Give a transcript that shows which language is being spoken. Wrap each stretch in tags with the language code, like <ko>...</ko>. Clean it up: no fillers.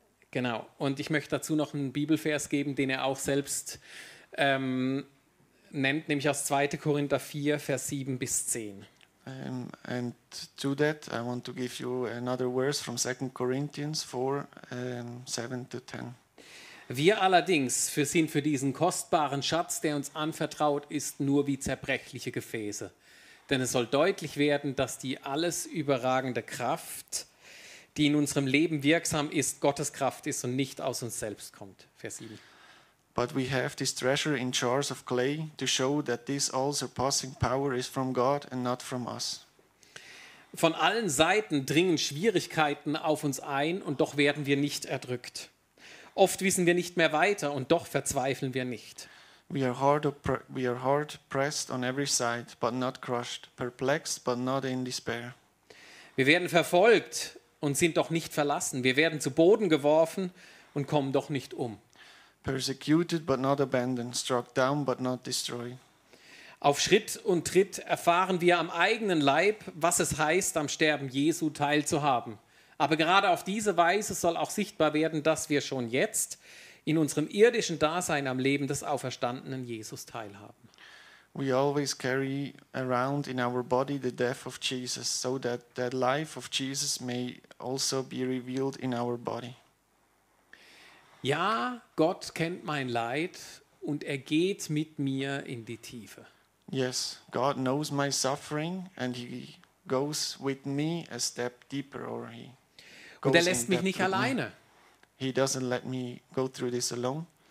<de>Genau, und ich möchte dazu noch einen Bibelvers geben, den er auch selbst nennt, nämlich aus 2. Korinther 4, Vers 7 bis 10.</de> <en>And to that, I want to give you another verse from 2. Corinthians 4, 7 to 10.</en> <de>Wir allerdings sind für diesen kostbaren Schatz, der uns anvertraut ist, nur wie zerbrechliche Gefäße. Denn es soll deutlich werden, dass die alles überragende Kraft, die in unserem Leben wirksam ist, Gottes Kraft ist und nicht aus uns selbst kommt. Vers 7.</de> <en>But we have this treasure in jars of clay to show that this all surpassing power is from God and not from us.</en> <de>Von allen Seiten dringen Schwierigkeiten auf uns ein und doch werden wir nicht erdrückt. Oft wissen wir nicht mehr weiter und doch verzweifeln wir nicht.</de> <en>We are hard pressed on every side, but not crushed, perplexed, but not in despair.</en> <de>Wir werden verfolgt und sind doch nicht verlassen. Wir werden zu Boden geworfen und kommen doch nicht um.</de> <en>Persecuted, but not abandoned, struck down, but not destroyed.</en> <de>Auf Schritt und Tritt erfahren wir am eigenen Leib, was es heißt, am Sterben Jesu teilzuhaben. Aber gerade auf diese Weise soll auch sichtbar werden, dass wir schon jetzt in unserem irdischen Dasein am Leben des auferstandenen Jesus teilhaben.</de> <en>We always carry around in our body the death of Jesus, so that the life of Jesus may also be revealed in our body.</en> <de>Ja, Gott kennt mein Leid und er geht mit mir in die Tiefe.</de> <en>Yes, God knows my suffering and he goes with me a step deeper, or he goes.</en> <de>Und er lässt mich nicht alleine.</de> <en>He doesn't let me go through this alone.</en>